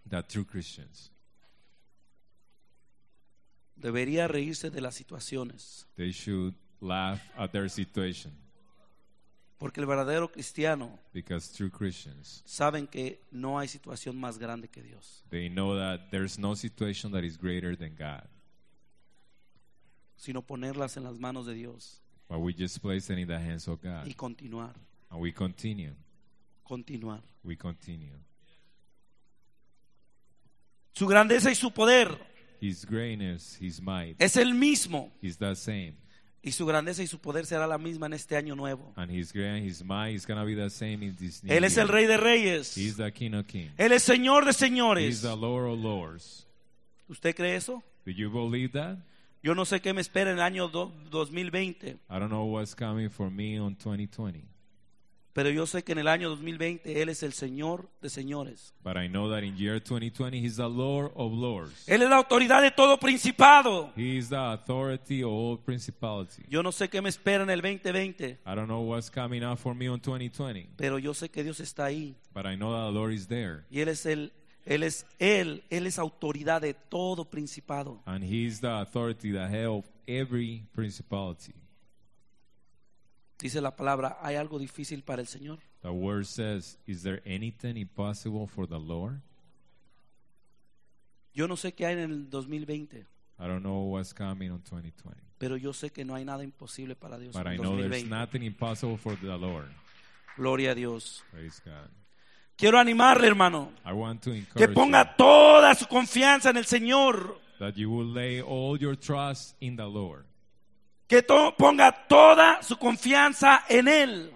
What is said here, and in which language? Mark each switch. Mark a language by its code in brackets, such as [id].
[en] The true Christians. [es] Debería reírse de las situaciones. [en] They should laugh at their situation. [es] Porque el verdadero cristiano. [en] Because true Christians. [es] Saben que no hay situación más grande que Dios. [en] They know that there's no situation that is greater than God. [es] Sino ponerlas en las manos de Dios. [en] But we just place it in the hands of God. [es] Y continuar. [en] And we continue. [es] Continuar. [en] We continue. [es] Su grandeza y su poder. [en] His greatness, his might. [es] Es el mismo. [en] He's the same. [es] Y su grandeza y su poder será la misma en este año nuevo. [en] And his great and his might is going to be the same in this new year. [es] Él es el Rey de Reyes. [en] He's the King of Kings. [es] Él es Señor de Señores. [en] He's the Lord of Lords. [es] ¿Usted cree eso? [en] Do you believe that? [es] Yo no sé qué me espera en el año 2020. [en] I don't know what's coming for me on 2020. [es] Pero yo sé que en el año 2020 Él es el Señor de Señores. [en] But I know that in year 2020 He's the Lord of Lords. [es] Él es la autoridad de todo principado. [en] He is the authority of all principality. [es] Yo no sé qué me espera en el 2020. [en] I don't know what's coming up for me on 2020. [es] Pero yo sé que Dios está ahí. [en] But I know that the Lord is there. [es] Y Él es el Él es autoridad de todo principado. [en] And he is the authority, the head of every principality. [es] Dice la palabra, ¿hay algo difícil para el Señor? [en] The word says, is there anything impossible for the Lord? [es] Yo no sé qué hay en el 2020. [en] I don't know what's coming on 2020. [es] Pero yo sé que no hay nada imposible para Dios [en] But [es] en [en] I 2020. But I know there's nothing impossible for the Lord. [es] Gloria a Dios. [en] Praise God. [es] Quiero animarle, hermano, [en] I want to encourage [es] que ponga [en] you, [es] toda su confianza en el Señor. [en] That you will lay all your trust in the Lord. [es] Que ponga toda su confianza en Él.